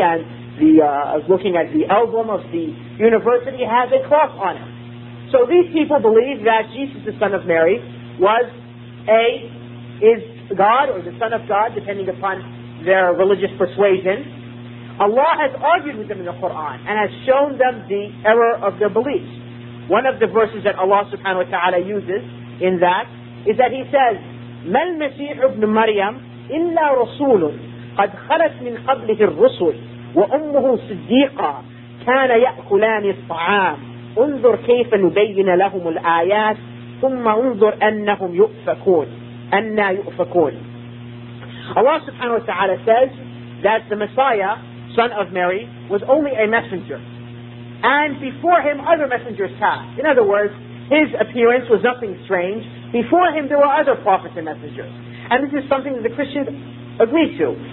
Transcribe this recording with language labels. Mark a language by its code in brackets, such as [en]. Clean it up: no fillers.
[en] And the looking at the emblem of the university has a cross on it. So these people believe that Jesus, the son of Mary, was A, is God or the Son of God, depending upon their religious persuasion. Allah has argued with them in the Quran and has shown them the error of their beliefs. One of the verses that Allah subhanahu wa ta'ala uses in that is that he says, [ar] مَا الْمَسِيحُ ابْنُ مَرْيَمْ إِلَّا رَسُولٌ قَدْ خَلَتْ مِنْ قَبْلِهِ الرُّسُلِ وَأُمُّهُ صِدِّيقًا كَانَ يَأْكُلَانِ الطَّعَامِ انظر كيف نبين لهم الآيات ثم انظر أنهم يؤفكون أنا يؤفكون. [en] Allah subhanahu wa ta'ala says that the Messiah, son of Mary, was only a messenger. And before him, other messengers passed. In other words, his appearance was nothing strange. Before him, there were other prophets and messengers. And this is something that the Christians agree to.